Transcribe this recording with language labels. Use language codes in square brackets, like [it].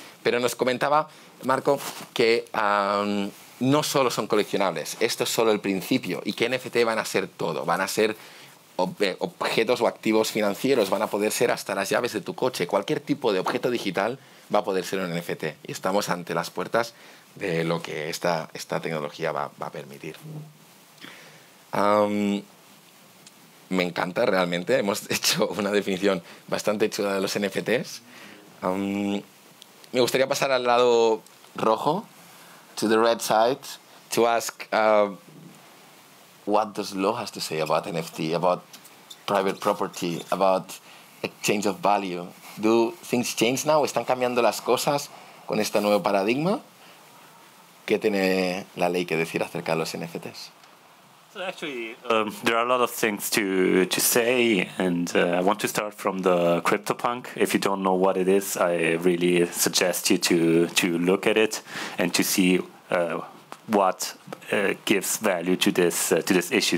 [es] Pero nos comentaba Marco que no solo son coleccionables, esto es solo el principio, y que NFT van a ser todo, van a ser objetos o activos financieros, van a poder ser hasta las llaves de tu coche, cualquier tipo de objeto digital va a poder ser un NFT, y estamos ante las puertas de lo que esta tecnología va a permitir. Me encanta realmente, hemos hecho una definición bastante chula de los NFTs. Me gustaría pasar al lado rojo, [en] to the red side, to ask what does law has to say about NFT, about private property, about exchange of value. Do things change now? [es] ¿Están cambiando las cosas con este nuevo paradigma? ¿Qué tiene la ley que decir acerca de los NFTs? [en] There are a lot of things to say, and I want to start from the CryptoPunk. If you don't know what it is, I really suggest you to look at it and to see what gives value to this issue.